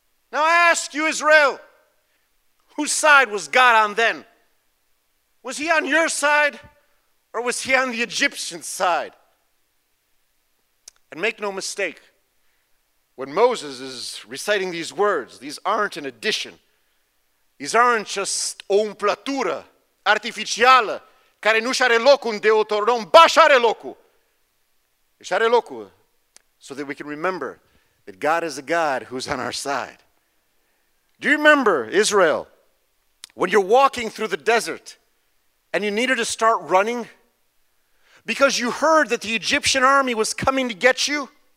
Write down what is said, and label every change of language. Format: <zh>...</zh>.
<en>Now I ask you, Israel, whose side was God on then? Was he on your side or was he on the Egyptian side?" And make no mistake, when Moses is reciting these words, these aren't an addition. These aren't just</en> <ro>o umplătură artificială care nu și-are locul în Deuteronom, ba și-are locul. Și-are locul</ro> <en>so that we can remember that God is a God who's on our side. Do you remember, Israel, when you're walking through the desert and you needed to start running because you heard that the Egyptian army was coming to get you?</en>